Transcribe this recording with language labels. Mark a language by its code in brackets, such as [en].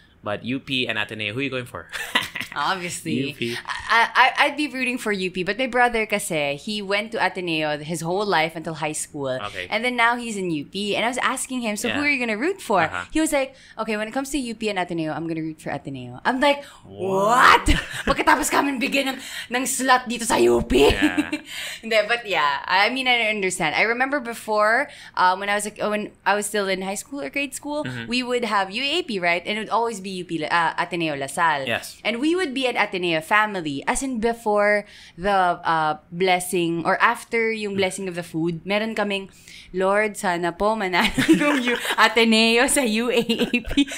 [en] But UP and Ateneo, who are you going for? Obviously. I'd be rooting for UP. But my brother, kasi, he went to Ateneo his whole life until high school. Okay. And then now he's in UP. And I was asking him, who are you going to root for? Uh-huh. He was like, okay, when it comes to UP and Ateneo, I'm going to root for Ateneo. I'm like, what? [tl] Pagkatapos kami bigyan ng slot dito sa UP. [en] Yeah. But yeah, I mean, I understand. I remember before, when I was still in high school or grade school, we would have UAAP, right? And it would always be UP, Ateneo La Salle. Yes. And we would be an Ateneo family. As in, before the blessing or after yung blessing of the food, [tl] meron kaming, Lord, sana po manalo yung Ateneo sa UAAP.